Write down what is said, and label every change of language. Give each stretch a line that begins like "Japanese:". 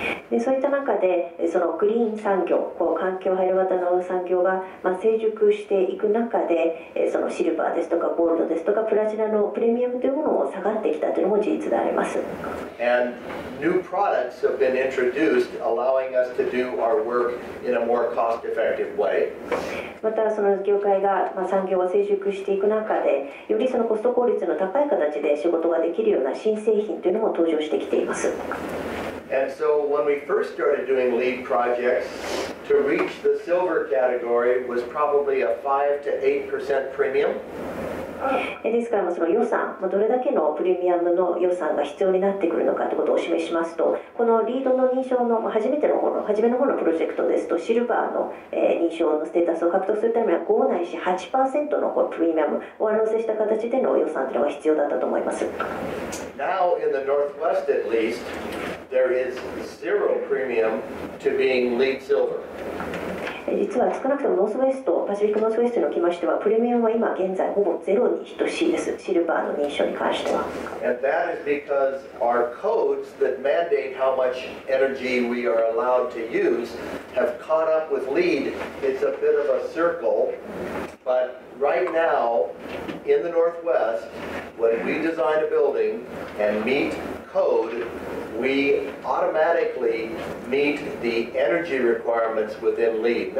Japanese: でそういった中でそのグリーン産業こう環境配慮型の産業が、まあ、成熟していく中でそのシルバーですとかゴールドですとかプラチナのプレミアムというものも下がってきたというのも事実であります。
English: And new products have been introduced allowing us to do our work in a more cost effective way.
Japanese: またその業界が、まあ、産業が成熟していく中でよりそのコスト効率の高い形で仕事ができるような新製品というのも登場してきています。
English: And so when we first started doing LEED projects, to reach the silver category was probably a 5 to 8% premium.
Japanese: ですからその予算、どれだけのプレミアムの予算が必要になってくるのかということを示しますと、この LEED の認証の初めの方のプロジェクトですと、シルバーの認証のステータスを獲得するためには5ないし 8% のプレミアムを上乗せした形での予算というのが必要だったと思います。
English: Now in the Northwest at least,There is zero premium to being LEED silver.
Japanese: 実は少なくともノースウェスト、パシフィックノースウェストにおきましては、プレミアムは今現在ほぼゼロに等しいです。シルバーの認証に関しては。
English: And that is because our codes that mandate how much energy we are allowed to use have caught up with LEED. It's a bit of a circle. But right now, in the Northwest, when we design a building and meet code,We automatically meet the energy requirements within LEED.